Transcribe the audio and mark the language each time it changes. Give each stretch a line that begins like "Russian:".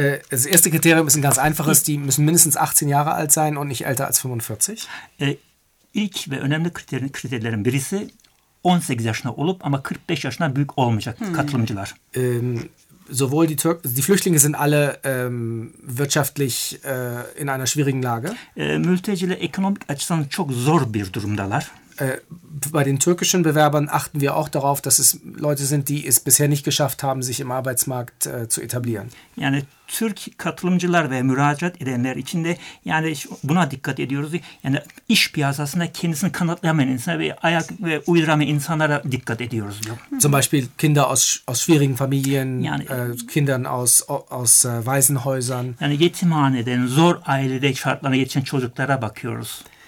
German: Das erste Kriterium ist ein ganz einfaches, die müssen mindestens 18 Jahre alt sein und nicht älter als 45.
Turkish: İlk ve önemli kriterlerin birisi 18 yaşında olup ama 45 yaşına büyük olmayacak katılımcılar.
German: Sowohl die die Flüchtlinge sind alle wirtschaftlich in einer schwierigen Lage.
Turkish: Mülteciler ekonomik açıdan çok zor bir durumdalar.
German: Bei den türkischen Bewerbern achten wir auch darauf, dass es Leute sind, die es bisher nicht geschafft haben, sich im Arbeitsmarkt zu etablieren.
Turkish: Yani Türk katılımcılar ve müracaat edenler için de yani buna dikkat ediyoruz. Yani iş piyasasında kendisini kanıtlayamayan insanlara ve ayak ve uyduramayan insanlara dikkat ediyoruz.
German: Zum Beispiel Kinder aus schwierigen Familien, yani, Kindern aus Waisenhäusern.
Turkish: Yani yetimhaneden, zor ailede şartlarına geçen çocuklara bakıyoruz.